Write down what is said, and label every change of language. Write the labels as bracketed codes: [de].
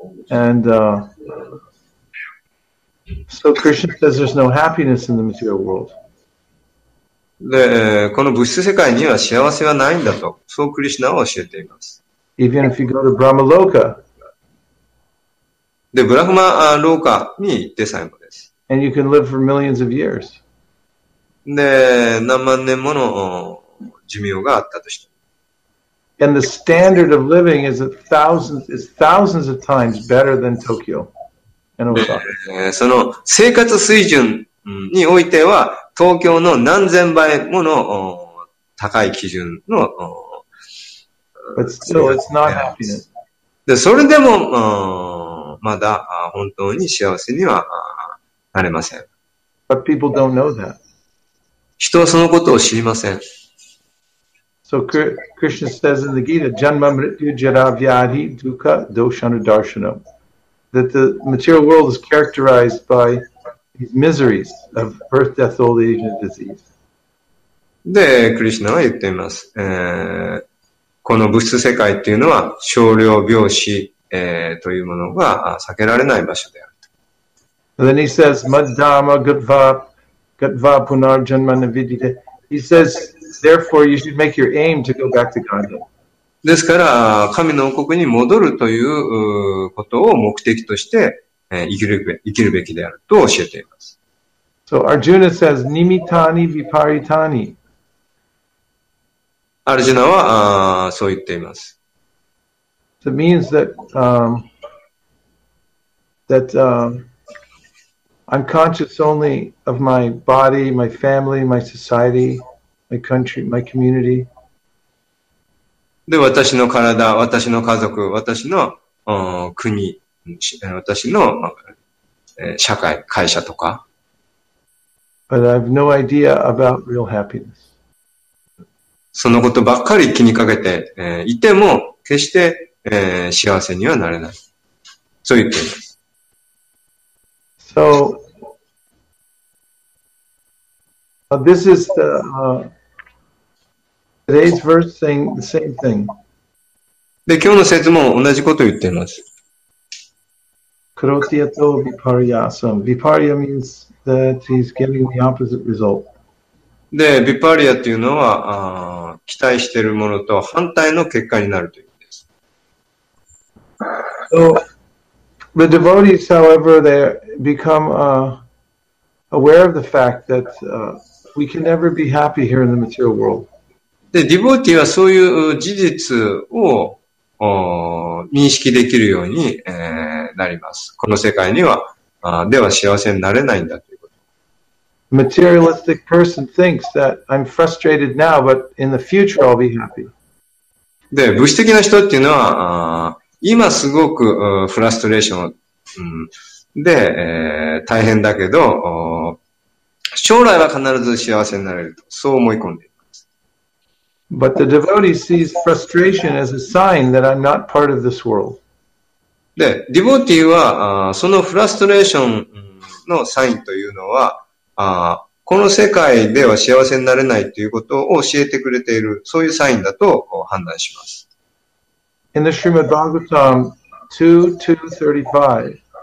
[en] And, so Krishna says there's no happiness in the material world. [ja] で、この物質世界には幸せはないんだと、そうクリシュナは教えています。 [en] Even if you go to Brahmaloka. [ja] で、ブラフマーローカに行ってさえもです。 [en] And you can live for millions of years. [ja] で、何万年もの寿命があったとしても。 [en] And the standard of living is thousands of times better than Tokyo. And Osaka. [ja] その生活水準においては、東京の何千倍もの高い基準の。 [en] But still, it's not happiness. [ja] で、それでも、まだ本当に幸せにはなれません。 [en] But people don't know that. [ja] 人はそのことを知りません。 [en] So Krishna says in the Gita, Janma Mrityu Jara Vyadhi Dukkha Doshana Darshana, that the material world is characterized by these miseries of birth, death, old age, and disease. [ja] で、Krishna は言っています。この物質世界っていうのは、少量病死、というものが避けられない場所である。 [en] And then he says, Madhama Gatva Punar Janma Navidite. He says,Therefore, you should make your aim to go back to Godhead. [ja] ですから、神の王国に戻るということを目的として生きるべきであると教えています。 [en] So Arjuna says, Nimitani Viparitani. [ja] アルジュナはそう言っています。 [en] So it means that I'm conscious only of my body, my family, my society. My country, my community. [ja] で、私の体、私の家族、私の国、私の社会、会社とか。 [en] But I have no idea about real happiness. [ja] そのことばっかり気にかけて、いても、決して、幸せにはなれない。そう言っています。 [en] So, this is the, Today's verse saying the same thing. [ja] で、今日の説も同じことを言っています。 [en] クロティアとヴィパリアサム。ヴィパリア means that he's getting the opposite result. [ja] で、ヴィパリアというのは、期待しているものと反対の結果になるという意味です。 [en] So, the devotees, however, they become aware of the fact that we can never be happy here in the material world. [ja] で、ディボーティはそういう事実を認識できるように、なります。この世界には、では幸せになれないんだということ。 [en] Materialistic person thinks that I'm frustrated now, but in the future I'll be happy. [ja] で、物質的な人っていうのは、今すごくフラストレーション、で、大変だけど、将来は必ず幸せになれると、そう思い込んでいる。 [en] But the devotee sees frustration as a sign that I'm not part of this world. [ja] で、ディボーティは、そのフラストレーションのサインというのは、この世界では幸せになれないということを教えてくれている、そういうサインだと判断します。 [en] In the Srimad Bhagavatam 2.2.35